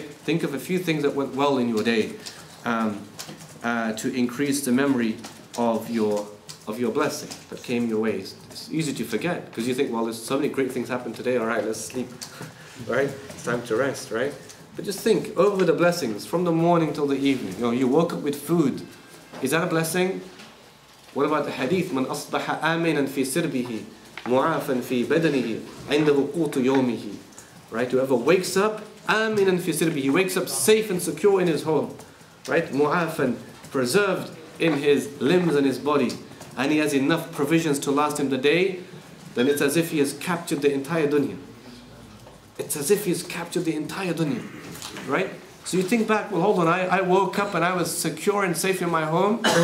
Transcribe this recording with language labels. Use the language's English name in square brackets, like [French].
[English] Think of a few things that went well in your day to increase the memory of your blessing that came your way. It's easy to forget because you think, well, there's so many great things happened today, all right, let's sleep, right? It's time to rest, right? But just think over the blessings from the morning till the evening. You know, you woke up with food. Is that a blessing? What about the hadith? [Arabic] من أصبح آمناً في سربه معافاً في بدنه عند وقوت يومه. [English] Right? Whoever wakes up, [Arabic] آمناً في سربه, [English] he wakes up safe and secure in his home. Right? معافاً, preserved in his limbs and his body. And he has enough provisions to last him the day, then it's as if he has captured the entire dunya. It's as if he's captured the entire dunya, right? So you think back, well, hold on, I woke up and I was secure and safe in my home.